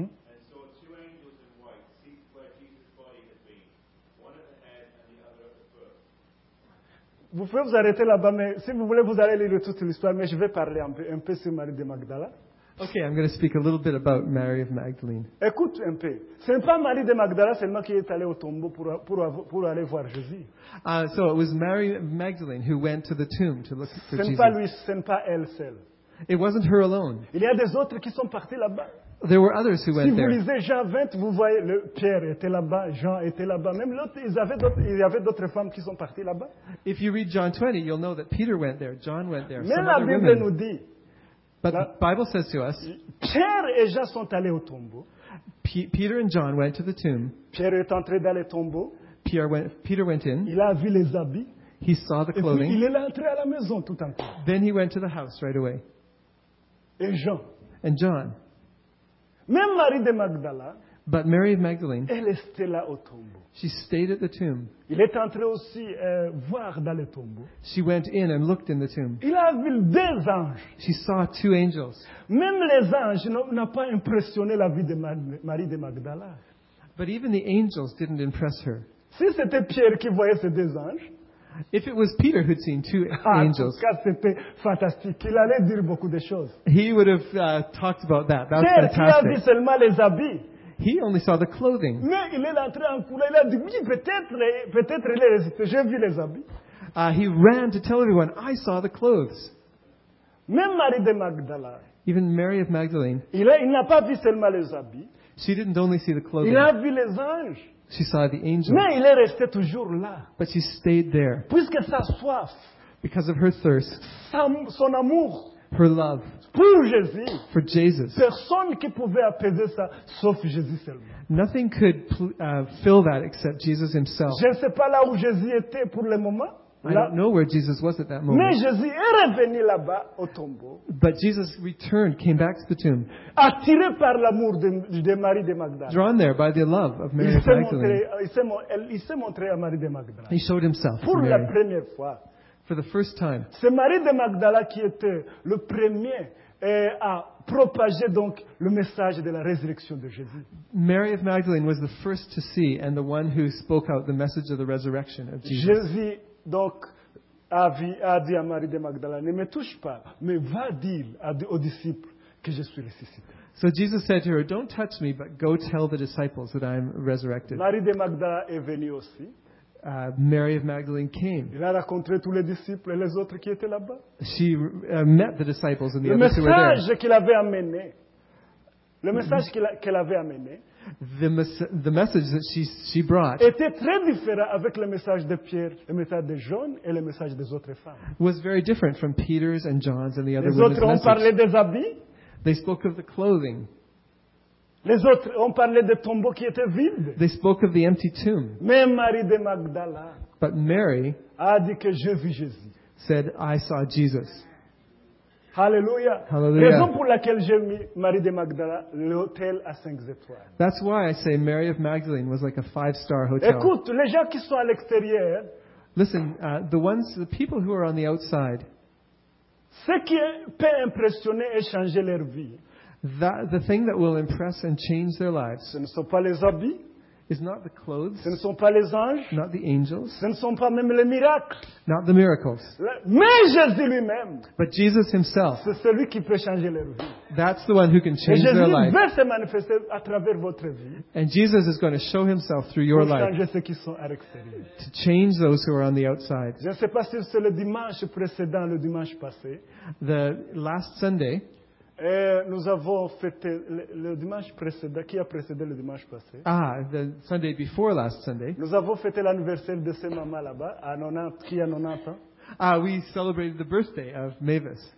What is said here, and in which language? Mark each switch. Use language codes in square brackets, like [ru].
[en] And saw two angels in white seated where Jesus' body had been, one at the head and the other at the foot. [fr] Vous pouvez vous arrêter là-bas, mais si vous voulez, vous allez lire toute l'histoire, mais je vais parler un peu sur Marie de Magdala. [en] Okay, I'm going to speak a little bit about Mary of Magdalene. [fr] Écoute un peu. C'est pas Marie de Magdala seulement qui est allée au tombeau pour aller voir Jésus. [en] So it was Mary Magdalene who went to the tomb to look for Jesus. [fr] C'est pas lui, c'est pas elle seule. [en] It wasn't her alone. [fr] Il y a des autres qui sont partis là-bas. [en] There were others who went [fr] si vous [en] there. [fr] Lisez Jean 20, vous voyez le Pierre était là-bas, Jean était là-bas. Même l'autre, il y avait d'autres femmes qui sont parties là-bas. [en] If you read John 20, you'll know that Peter went there, John went there. [fr] Mais [en] some [fr] la Bible [en] women. [fr] Nous dit. [en] But la, the Bible says to us. [fr] Pierre et Jean sont allés au tombeau. [en] Peter and John went to the tomb. [fr] Pierre est entré dans le tombeau. [en] Peter went in. [fr] Il a vu les habits. [en] He saw the clothing. [fr] Et puis, il est entré à la maison tout en temps. [en] Then he went to the house right away. [fr] Et Jean. [en] And John. [fr] Même Marie de Magdala, [en] but Mary of Magdalene, [fr] elle était là au tombeau. [en] She stayed at the tomb. [fr] Il est entré aussi voir dans le tombeau. [en] She went in and looked in the tomb. [fr] Il a vu deux anges. [en] She saw two angels. [fr] Même les anges n'ont pas impressionné la vie de Marie de Magdala. [en] But even the angels didn't impress her. [fr] Si c'était Pierre qui voyait ces deux anges, [en] if it was Peter who'd seen two angels, [fr] en tout cas, c'était fantastique. Il allait dire beaucoup de choses. [en] He would have talked about that. That was fantastic. [fr] Pierre, il a vu seulement les habits. [en] He only saw the clothing. [fr] Mais il est entré en courant. Il a dit, oui, peut-être, j'ai vu les habits. [en] He ran to tell everyone, I saw the clothes. [fr] Même Marie de Magdala. [en] Even Mary of Magdalene. [fr] Il n'a pas vu seulement les habits. [en] She didn't only see the clothing. [fr] Il a vu les anges. [en] She saw the angel. [fr] Mais il est resté toujours là. [en] But she stayed there. [fr] Puisque sa soif. [en] Because of her thirst. [fr] Son amour. [en] Her love. [fr] Pour Jésus. [en] For Jesus. [fr] Personne qui pouvait apaiser ça, sauf Jésus seulement. [en] Nothing could fill that except Jesus himself. [fr] Je ne sais pas là où Jésus était pour le moment. [en] I don't know where Jesus was at that moment. [fr] Mais Jésus est revenu là-bas au tombeau. [en] But Jesus returned, came back to the tomb. [fr] Attiré par l'amour de Marie de Magdala. [en] Drawn there by the love of Mary [fr] Magdalene. Il s'est montré à Marie de Magdala. [en] He showed himself [fr] pour [en] Mary. [fr] La première fois. [en] for the first time. [fr] C'est Marie de Magdala qui était le premier à propager donc le message de la résurrection de Jésus. [en] Mary of Magdalene was the first to see and the one who spoke out the message of the resurrection of Jesus. [fr] Jésus donc a dit à Marie de Magdala, ne me touche pas, mais va dire aux disciples que je suis ressuscité. [en] So Jesus said to her, don't touch me, but go tell the disciples that I am resurrected. [fr] Marie de Magdala est venue aussi. [en] Mary of Magdalene came. [fr] Elle a rencontré tous les disciples et les autres qui étaient là-bas. [en] She met the disciples and the others who were there. [fr] Le message qu'il avait amené. Le message qu'elle avait amené. [en] The message that she brought [fr] était très différent avec le message de Pierre, le message de John et le message des autres femmes. [en] Was very different from Peter's and John's and the other [fr] les [en] women's message. [fr] Les autres ont parlé des habits. [en] They spoke of the clothing. [fr] Les autres ont parlé des tombeaux qui étaient vides. [en] They spoke of the empty tomb. [fr] Mais Marie de Magdala. [en] But Mary [fr] a dit que je vis Jésus. [en] Said I saw Jesus. [fr] Hallelujah. [en] Hallelujah. [fr] Raison pour laquelle j'ai mis Marie de Magdala l'hôtel à 5 étoiles. [en] That's why I say Mary of Magdalene was like a 5-star hotel. [fr] Écoute, les gens qui sont à l'extérieur. [en] Listen, the people who are on the outside. [fr] Ce qui peut impressionner et changer leur vie. [en] The thing that will impress and change their lives. [fr] Ce ne sont pas les habits. [en] Is not the clothes. [fr] Ce ne sont pas les anges. [en] Not the angels. [fr] Ce ne sont pas même les miracles. [en] Not the miracles. [fr] Mais Jésus lui-même. [en] But Jesus himself. [fr] C'est celui qui peut changer leur vie. [en] That's the one who can change their life. [fr] Et Jésus veut se manifester à travers votre vie. [en] And Jesus is going to show himself through your life. [fr] Pour changer ceux qui sont à l'extérieur. [en] To change those who are on the outside. [fr] Je ne sais pas si c'est le dimanche précédent, le dimanche passé. [en] The last Sunday. [fr] Et nous avons fêté le dimanche précédent, qui a précédé le dimanche passé. [en] Ah, the Sunday before last Sunday. [fr] Nous avons fêté l'anniversaire de ses mamans là-bas, à 90, qui a 90 ans. [en] Ah, we celebrated the birthday of Mavis.